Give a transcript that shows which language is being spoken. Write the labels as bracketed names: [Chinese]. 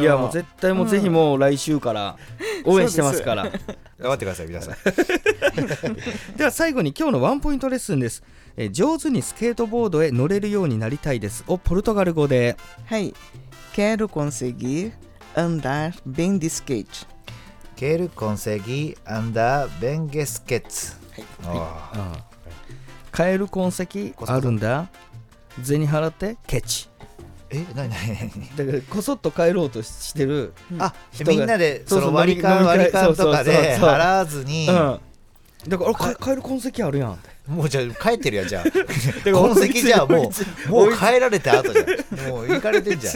[Japanese] いやもう絶対もう、ぜひもう来週から応援してますから。頑張ってください皆さん。では最後に今日のワンポイントレッスンです。上手にスケートボードへ乗れるようになりたいですをポルトガル語で、 [Portuguese] はい、quero conseguirAndar bem de skate. Quero conseguir andar bem de skate. Quero conseguir andar bem de skate. [Japanese] え、何だからこそっと帰ろうとしてる、あ、みんなでその割り勘割り勘とかで払わずに、だから帰る痕跡あるやん。もうじゃあ帰ってるやん、じゃあ痕跡じゃあもう帰られた後じゃん、もう行かれてんじゃん。